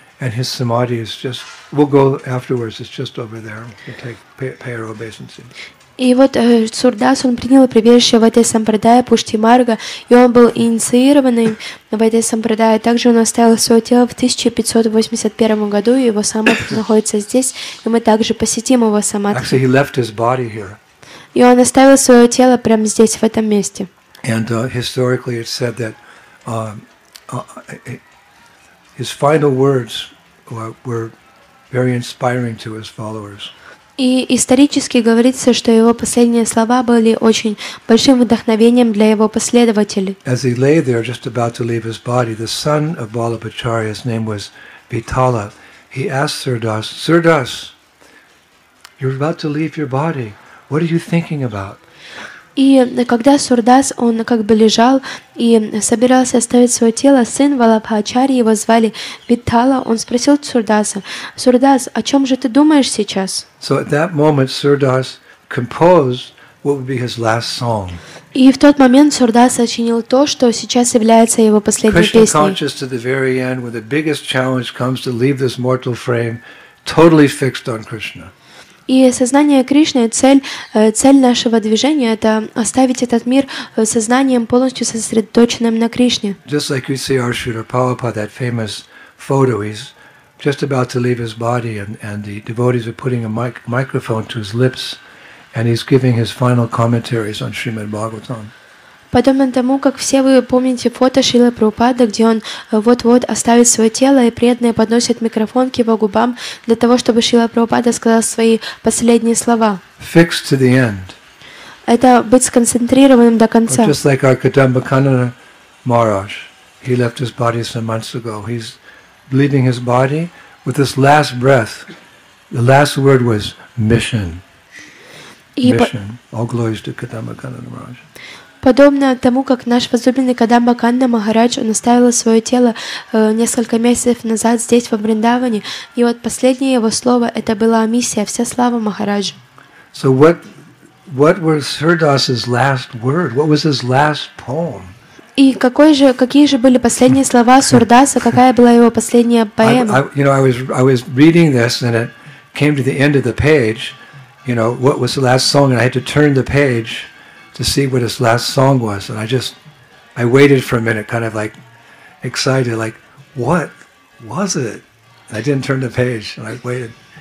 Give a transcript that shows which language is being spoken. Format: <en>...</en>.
<en>And his samadhi is just, we'll go afterwards, it's just over there, we'll take, pay our obeisances.</en> <ru>И вот Сурдас, он принял прибежище в этой сампрадае Пушти Марга, и он был инициированный в этой сампрадае. Также он оставил свое тело в 1581 году, и его самадхи находится здесь, и мы также посетим его самадхи.</ru> <en>Actually, he left his body here.</en> <ru>И он оставил свое тело прямо здесь, в этом месте.</ru> <en>And historically it's said that... His final words were very inspiring to his followers.</en> <ru>И исторически говорится, что его последние слова были очень большим вдохновением для его последователей.</ru> <en>As he lay there, just about to leave his body, the son of Balabhacharya, his name was Vitala, he asked Sirdas, Sirdas, you're about to leave your body. What are you thinking about?</en> <ru>И когда Сурдас, он как бы лежал и собирался оставить свое тело, сын Валабхачари, его звали Виттала, он спросил Сурдаса: «Сурдас, о чем же ты думаешь сейчас?»</ru> <en>So at that moment Сурдас composed what would be his last song.</en> <ru>И в тот момент Сурдас сочинил то, что сейчас является его последней песней.</ru> <en>Krishna conscious to the very end, when the biggest challenge comes to leave this mortal frame, totally fixed on Krishna.</en> <ru>И сознание Кришны, цель нашего движения — это оставить этот мир сознанием полностью сосредоточенным на Кришне.</ru> <en>Just like you see Arshuda Prabhupada, that famous photo, he's just about to leave his body, and the devotees are putting a microphone to his lips, and he's giving his final commentaries on Srimad Bhagavatam.</en> <ru>Подобно тому, как все вы помните фото Шрилы Прабхупады, где он вот-вот оставит свое тело, и преданные подносят микрофон к его губам для того, чтобы Шрила Прабхупада сказал свои последние слова.</ru> <en>Fixed to the end.</en> <ru>Это быть сконцентрированным до конца.</ru> <en>Just like our Kadambakanana Maharaj, he left his body some months ago. He's leaving his body with his last breath. The last word was mission. Mission. All glories to Kadambakanana Maharaj.</en> <ru>Подобно тому, как наш возлюбленный Кадамба Канна Махарадж, он оставил свое тело несколько месяцев назад здесь, во Вриндаване, и вот последнее его слово – это была миссия, вся слава Махараджу.</ru> <en>So what was Сурдас's last word? What was his last poem?</en> <ru>И какие же были последние слова Сурдаса, какая была его последняя поэма?</ru> <en>I was reading this, and it came to the end of the page, you know, what was the last song, and I had to turn the page to see what his last song was, and I waited for a minute, kind of like excited, like, what was it? I didn't turn the page, and I waited.</en>